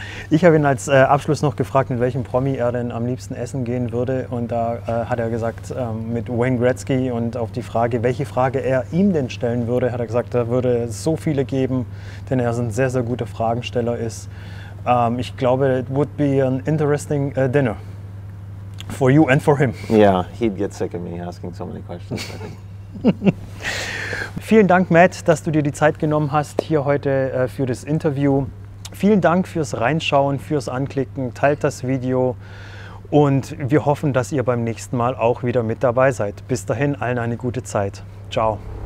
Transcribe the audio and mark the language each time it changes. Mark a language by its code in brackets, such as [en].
[de] Ich habe ihn als Abschluss noch gefragt, mit welchem Promi er denn am liebsten essen gehen würde. Und da hat er gesagt, mit Wayne Gretzky. Und auf die Frage, welche Frage er ihm denn stellen würde, hat er gesagt, da würde es so viele geben, denn er ist ein sehr, sehr guter Fragensteller ist. Ich glaube, [en] it would be an interesting dinner for you and for him. Yeah, he'd get sick of me asking so many questions, I think. [de] Vielen Dank, Matt, dass du dir die Zeit genommen hast hier heute für das Interview. Vielen Dank fürs Reinschauen, fürs Anklicken, teilt das Video und wir hoffen, dass ihr beim nächsten Mal auch wieder mit dabei seid. Bis dahin allen eine gute Zeit. Ciao.